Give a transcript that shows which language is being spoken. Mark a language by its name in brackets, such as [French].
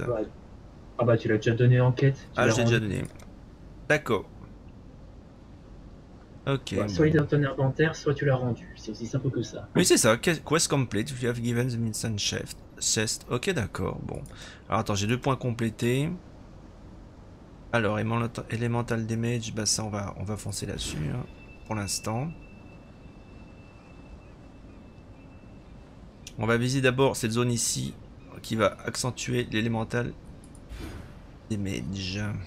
[French] Ouais. Ah, bah, tu l'as déjà donné en quête. Ah, je l'ai déjà donné. D'accord. Ok. Ouais, soit il est dans ton inventaire, soit tu l'as rendu. C'est aussi simple que ça. Oui, c'est ça. [English] Quest complete. You have given the Medicine's Chest. [French] Ok, d'accord. Bon. Alors, attends, j'ai 2 points complétés. Alors, Elemental Damage, bah, ça, on va foncer là-dessus. Hein, pour l'instant. On va viser d'abord cette zone ici qui va accentuer l'élémental damage.